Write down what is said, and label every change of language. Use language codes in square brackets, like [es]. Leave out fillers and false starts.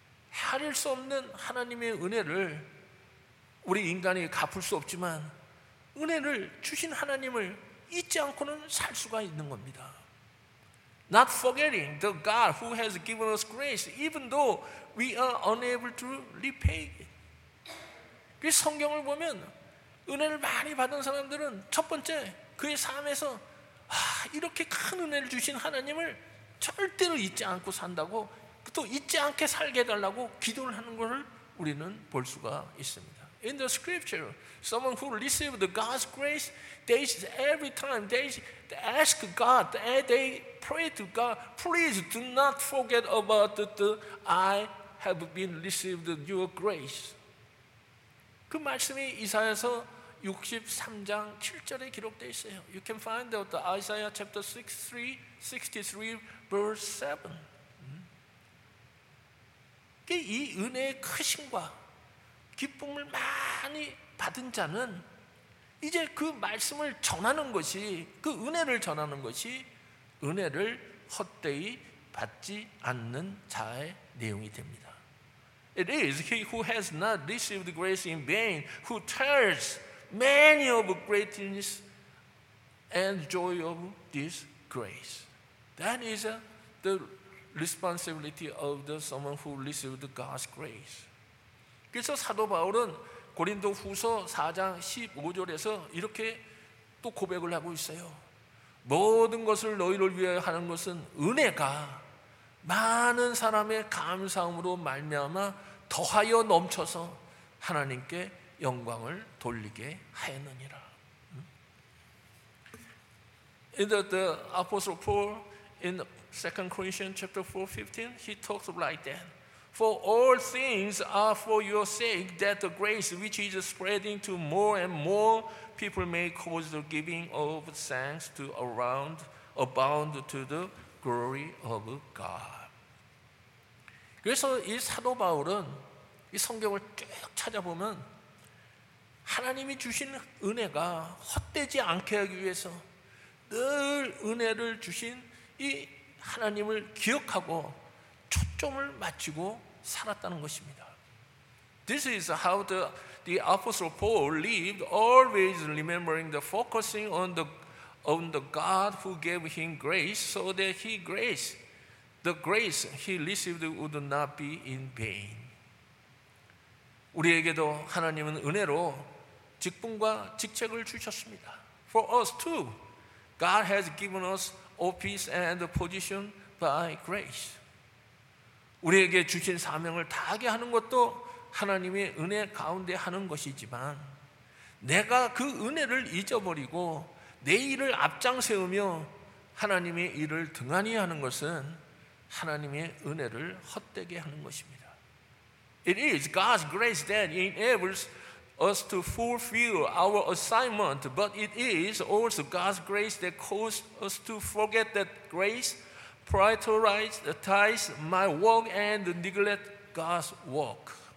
[ko] 할 수 없는 하나님의 은혜를 우리 인간이 갚을 수 없지만 은혜를 주신 하나님을 잊지 않고는 살 수가 있는 겁니다. [en] Not forgetting the God who has given us grace even though we are unable to repay it. [ko] 그 성경을 보면 은혜를 많이 받은 사람들은 첫 번째 그의 삶에서 이렇게 큰 은혜를 주신 하나님을 절대로 잊지 않고 산다고 또 잊지 않게 살게 해달라고 기도를 하는 것을 우리는 볼 수가 있습니다. [en] In the scripture, someone who received God's grace, they every time they ask God, they pray to God, please do not forget about the I have been received your grace. [ko] 그 말씀이 이사야서 63장 7절에 기록되어 있어요. [en] You can find out the Isaiah chapter 63 verse 7. [ko] 이 은혜의 크심과 기쁨을 많이 받은 자는 이제 그 말씀을 전하는 것이 그 은혜를 전하는 것이 은혜를 헛되이 받지 않는 자의 내용이 됩니다. [en] It is he who has not received grace in vain who tells many of greatness and joy of this grace. That is the responsibility of the someone who received God's grace. [ko] 그래서 사도 바울은 고린도 후서 4장 15절에서 이렇게 또 고백을 하고 있어요. 모든 것을 너희를 위하여 하는 것은 은혜가 많은 사람의 감사함으로 말미암아 더하여 넘쳐서 하나님께 영광을 돌리게 하였느니라. [en] In the Apostle Paul in 2 Corinthians chapter 4:15, he talks like that. For all things are for your sake, that the grace which is spreading to more and more people may cause the giving of thanks to abound to the glory of God. [ko] 그래서 이 사도 바울은 이 성경을 쭉 찾아보면 하나님이 주신 은혜가 헛되지 않게 하기 위해서 늘 은혜를 주신 이 하나님을 기억하고 초점을 맞추고 살았다는 것입니다. [en] This is how the Apostle Paul lived, always remembering the focusing on the God who gave him grace, so that the grace he received would not be in vain. [ko] 우리에게도 하나님은 은혜로 직분과 직책을 주셨습니다. [en] For us too, God has given us office and position by grace. [ko] 우리에게 주신 사명을 다하게 하는 것도 하나님의 은혜 가운데 하는 것이지만 내가 그 은혜를 잊어버리고 내 일을 앞장세우며 하나님의 일을 등한히 하는 것은 하나님의 은혜를 헛되게 하는 것입니다. [en] It is God's grace that enables us to fulfill our assignment, but it is also God's grace that caused us to forget that grace, prioritize my work and neglect God's work.